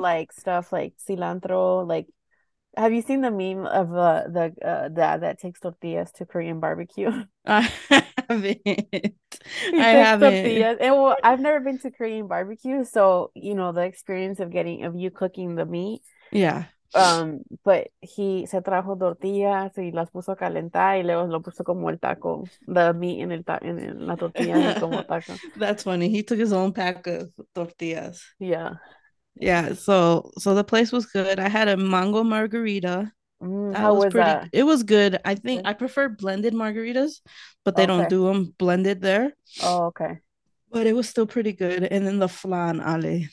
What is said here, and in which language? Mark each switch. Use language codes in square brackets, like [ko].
[en] Like stuff like cilantro. Like, have you seen the meme of the dad that takes tortillas to Korean barbecue? I haven't. He takes tortillas, and well, I've never been to Korean barbecue, so the experience of getting of you cooking the meat. Yeah. But he [es] se trajo tortillas y las puso a calentar y luego lo puso como el taco, [en] the meat [es] en el ta en la tortilla y como taco. [en] That's funny. He took his own pack of tortillas. Yeah, so the place was good. I had a mango margarita. That How was was pretty, that? it was good. I think I prefer blended margaritas, but they don't do them blended there. But it was still pretty good. And then the flan, Ale.